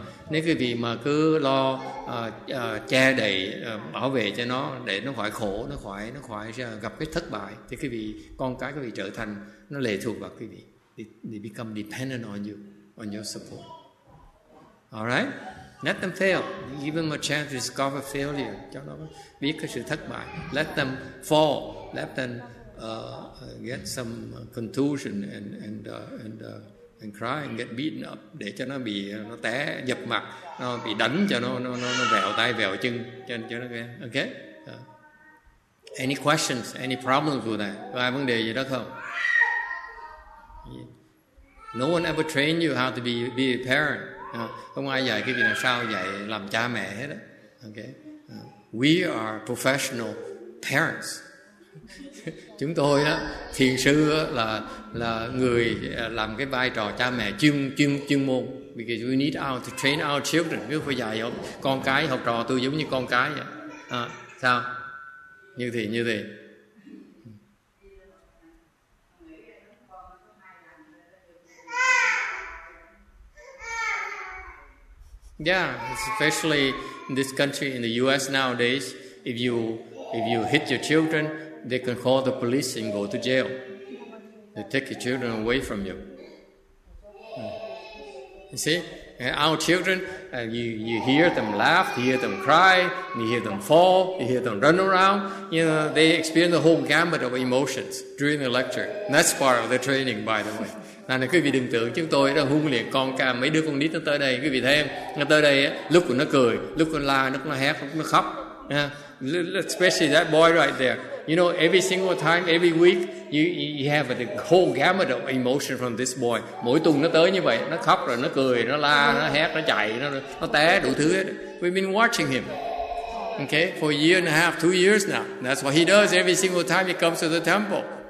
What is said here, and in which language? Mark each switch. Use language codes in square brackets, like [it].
[vi] Nếu quý vị mà cứ lo che đậy bảo vệ cho nó để nó khỏi khổ, nó khỏi gặp cái thất bại, thì quý vị con cái quý vị trở thành nó lệ thuộc vào quý vị. [en] They become dependent on you, on your support. All right, let them fail, give them a chance to discover failure. [vi] Cho nó biết cái sự thất bại. Let them fall. Let them get some contusion and cry and get beaten up, để cho nó bị nó té dập mặt, nó bị đánh cho nó vẹo tay vẹo chân cho nó ghen. [en] Okay, any questions, any problems with that? Có ai vấn đề gì đó không? Yeah. No one ever trained you how to be a parent. [vi] Không ai dạy cái gì làm sao dạy làm cha mẹ hết đó. Okay, we are professional parents. Chúng tôi á, thiền sư á, là người làm cái vai trò cha mẹ chuyên môn. Because we need to train our children. Nếu phải dạy con cái, học trò tôi giống như con cái vậy. Sao? Như thế. [en] Yeah, especially in this country, in the U.S. nowadays, if you hit your children, they can call the police and go to jail. They take your children away from you. You see, and our children, you hear them laugh, you hear them cry, you hear them fall, you hear them run around. You know, they experience the whole gamut of emotions during the lecture. And that's part of the training, by the way. [vi] Nên quý vị đừng tưởng chúng tôi đang huấn luyện con cam, mấy đứa con nít nó tới đây, quý vị thấy không? Nó tới đây, lúc nó cười, lúc nó la, lúc nó hét, lúc nó khóc. [en] Especially that boy right there. You know, every single time, every week, you have the whole gamut of emotion from this boy. [vi] Mỗi tuần nó tới như vậy, nó khóc rồi, nó cười, nó la, nó hét, nó chạy, nó té, đủ thứ hết. [en] We've been watching him. Okay, for a year and a half, 2 years now. That's what he does every single time he comes to the temple.